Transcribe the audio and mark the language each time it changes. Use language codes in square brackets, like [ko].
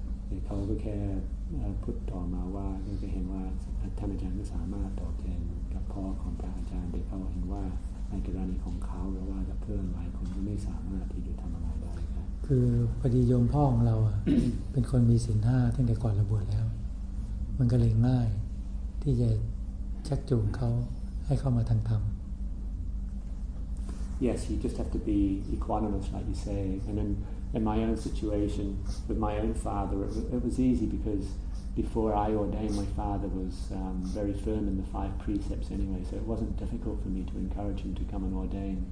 [th] They call the care, put toa ma wa, they say, hen wa, Tanajan is a ma, toa ken, ka po, kong pa, jian, they call hen wa, ในกรณีของเขาหรือว่าเพื่อนหลายคนก็ไม่สามารถที่จะทำอะไรได้คือพอดีโยมพ่อของเราเป็นคนมีศีล5ตั้งแต่ก่อนเราบวชแล้วมันก็เลยง่ายที่จะชักจูงเขาให้เข้ามาทางธรรม [en] Yes, you just have to be equanimous like you say and then in my own situation with my own father it was easy becauseBefore I ordained, my father was very firm in the five precepts anyway, so it wasn't difficult for me to encourage him to come and ordain.